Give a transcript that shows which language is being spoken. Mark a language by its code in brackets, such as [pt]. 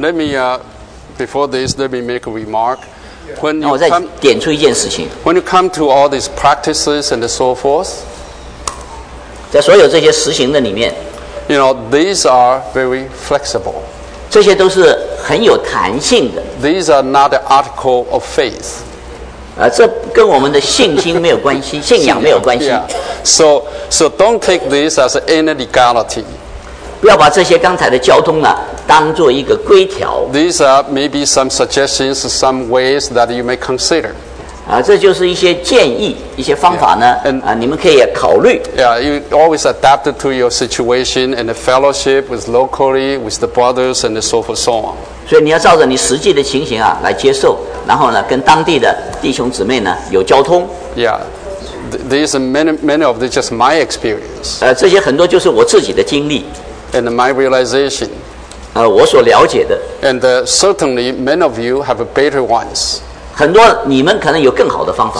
[en] Let me, before this, let me make a remark. When you, [zh] 那我再点出一件事情。 [en] When you come to all these practices and so forth, [zh] 在所有这些实行的里面, [en] you know, these are very flexible. [zh] 这些都是很有弹性的。 [en] These are not an article of faith. [zh] 这跟我们的信心没有关系，信仰没有关系。 [en] Yeah. So don't take this as any legality. [zh] 不要把这些刚才的交通呢、啊、当做一个规条。 [en] These are maybe some suggestions, some ways that you may consider. [zh] 啊，这就是一些建议，一些方法呢。 [en] Yeah. And, [zh] 啊，你们可以考虑。 [en] Yeah, you always adapt to your situation and the fellowship with locally with the brothers and so forth, so on. [zh] 所以你要照着你实际的情形啊来接受，然后呢跟当地的弟兄姊妹呢有交通。 [en] Yeah. These are many of these just my experience. [zh] 这些很多就是我自己的经历。 [en] And my realization. [zh] 我所了解的。 [en] And certainly many of you have a better ones. 很多你们可能有更好的方法。